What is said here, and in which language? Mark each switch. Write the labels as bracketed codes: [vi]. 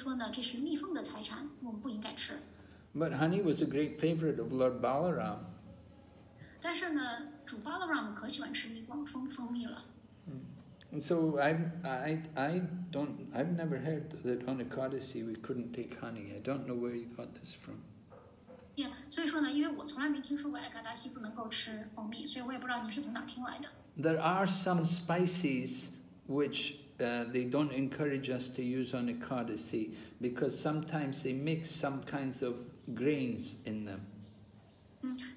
[zh] 那么他们之所以不吃蜂蜜的原因呢，是因为他们说这个蜂蜜是来自于蜜蜂的，所以说呢，这是蜜蜂的财产，我们不应该吃。 [en] But honey was a great favorite of Lord Balaram. [zh] 但是呢，主 Balaram 可喜欢吃蜜蜂蜜了。 [en] And so I've never heard that on Ekadasi we couldn't take honey. I don't know where you got this from. [zh] Yeah, 所以说呢，因为我从来没听说过艾卡达西不能够吃蜂蜜，所以我也不知道你是从哪听来的。 [en] There are some spices which they don't encourage us to use on Ekadasi because sometimes they mix some kinds of grains in them.